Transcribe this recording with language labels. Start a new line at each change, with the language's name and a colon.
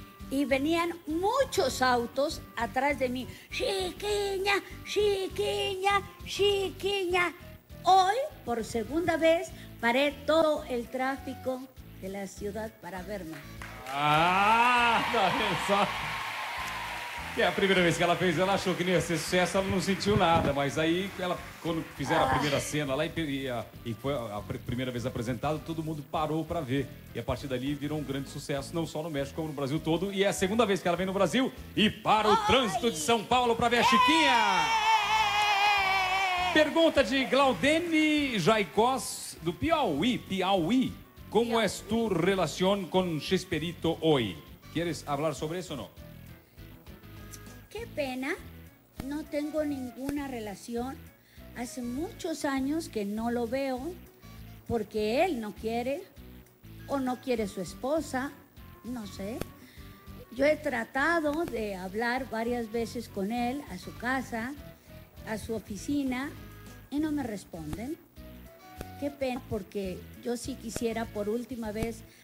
Spanish: E venían muchos autos atrás de mí. Chiquinha, chiquinha, chiquinha. Hoy, por segunda vez, paré todo el tráfico de la ciudad para verme.
Portuguese: Ah, só. Que a primeira vez que ela fez, ela achou que não ia ser sucesso, ela não sentiu nada. Mas aí, ela, quando fizeram a primeira cena lá e foi a primeira vez apresentada, todo mundo parou pra ver. E a partir dali virou um grande sucesso, não só no México, como no Brasil todo. E é a segunda vez que ela vem no Brasil e para o trânsito de São Paulo pra ver a Chiquinha. Pergunta de Glaudene Jaicós, do Piauí. Piauí, como é tu relação com Chespirito hoje? Queres falar sobre isso ou não?
Spanish: Qué pena, no tengo ninguna relación. Hace muchos años que no lo veo porque él no quiere o no quiere su esposa, no sé. Yo he tratado de hablar varias veces con él a su casa, a su oficina y no me responden. Qué pena porque yo sí quisiera por última vez